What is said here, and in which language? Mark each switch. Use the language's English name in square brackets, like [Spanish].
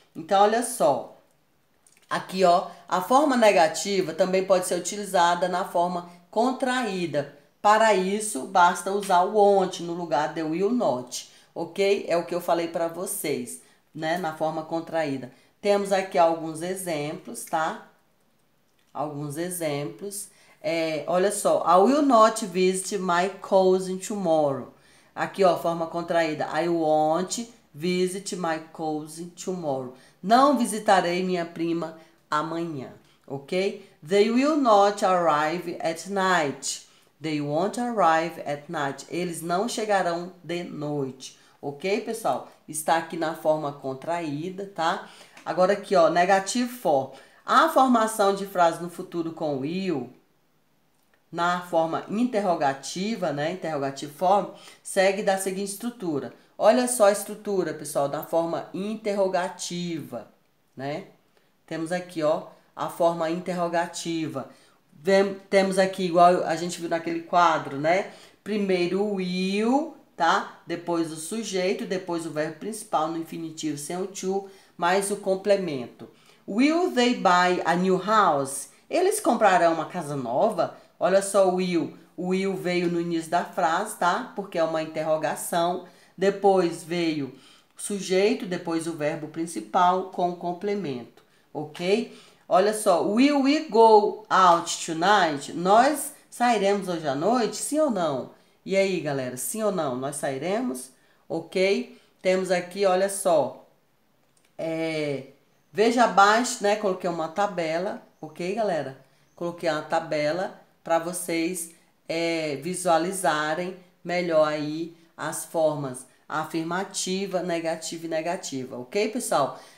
[Portuguese] Então, olha só. Aqui, ó. A forma negativa também pode ser utilizada na forma contraída. Para isso, basta usar o won't no lugar de will not. Ok? É o que eu falei para vocês, né? Na forma contraída. Temos aqui alguns exemplos, tá? Alguns exemplos. É, olha só, [English] I will not visit my cousin tomorrow. [Portuguese] Aqui, ó, forma contraída. [English] I won't visit my cousin tomorrow. [Portuguese] Não visitarei minha prima amanhã, ok? [English] They will not arrive at night. They won't arrive at night. [Portuguese] Eles não chegarão de noite, ok, pessoal? Está aqui na forma contraída, tá? Agora aqui, ó, negative for. A formação de frase no futuro com will. Na forma interrogativa, né? Interrogative form, segue da seguinte estrutura. Olha só a estrutura, pessoal, da forma interrogativa, né? Temos aqui, ó, a forma interrogativa. Temos aqui, igual a gente viu naquele quadro, né? Primeiro o will, tá? Depois o sujeito, depois o verbo principal no infinitivo sem o to, mais o complemento. [English] Will they buy a new house? [Portuguese] Eles comprarão uma casa nova? Olha só o will. O will veio no início da frase, tá? Porque é uma interrogação. Depois veio o sujeito, depois o verbo principal com o complemento, ok? Olha só, [English] will we go out tonight? [Portuguese] Nós sairemos hoje à noite? Sim ou não? E aí, galera, sim ou não? Nós sairemos? Ok? Temos aqui, olha só. Veja abaixo, né? Coloquei uma tabela, ok, galera? Coloquei uma tabela para vocês visualizarem melhor aí as formas afirmativa, negativa e negativa, ok, pessoal?